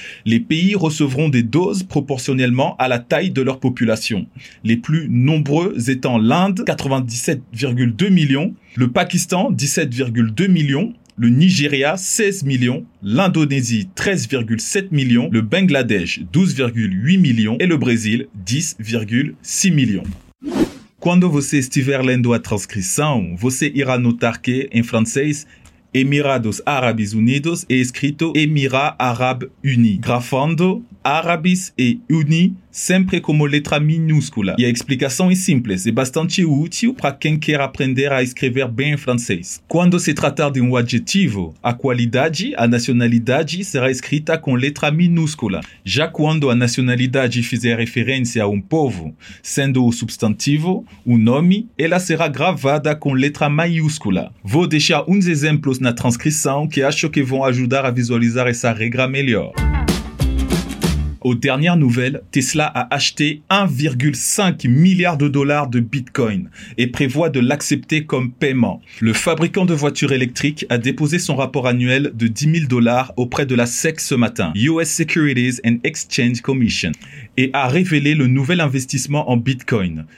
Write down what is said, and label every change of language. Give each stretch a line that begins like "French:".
French: Les pays recevront des doses proportionnellement à la taille de leur population, les plus nombreux étant l'Inde, 97,2 millions, le Pakistan, 17,2 millions, le Nigeria, 16 millions, l'Indonésie, 13,7 millions, le Bangladesh, 12,8 millions et le Brésil, 10,6 millions.
Portuguese: Quando você estiver lendo a transcrição, você irá notar que, em francês, Emirados Árabes Unidos é escrito Emirat Arabe Uni, grafando Árabes e Uni sempre como letra minúscula. E a explicação é simples, é bastante útil para quem quer aprender a escrever bem em francês. Quando se tratar de um adjetivo, a qualidade, a nacionalidade, será escrita com letra minúscula. Já quando a nacionalidade fizer referência a um povo, sendo o substantivo, o nome, ela será gravada com letra maiúscula. Vou deixar uns exemplos na transcrição que acho que vão ajudar a visualizar essa regra melhor.
French: Aux dernières nouvelles, Tesla a acheté 1,5 milliard de dollars de Bitcoin et prévoit de l'accepter comme paiement. Le fabricant de voitures électriques a déposé son rapport annuel de 10 000 dollars auprès de la SEC ce matin, US Securities and Exchange Commission, et a révélé le nouvel investissement en Bitcoin.